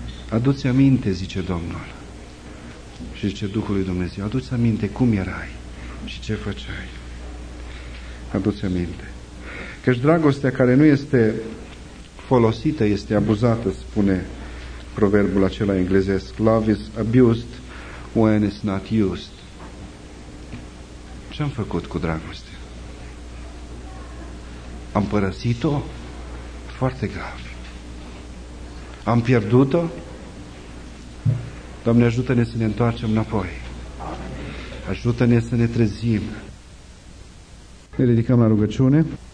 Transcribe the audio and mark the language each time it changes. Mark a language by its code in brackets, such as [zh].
[ro] Adu-ți aminte, zice Domnul, și zice Duhului Dumnezeu, adu-ți aminte cum erai și ce făceai. Adu-ți aminte. Căci dragostea care nu este folosită este abuzată, spune proverbul acela englezesc. [en] Love is abused when it's not used. [ro] Ce-am făcut cu dragostea? Am părăsit-o? Foarte grav. Am pierdut-o? Doamne, ajută-ne să ne întoarcem înapoi. Ajută-ne să ne trezim. Ne ridicăm la rugăciune.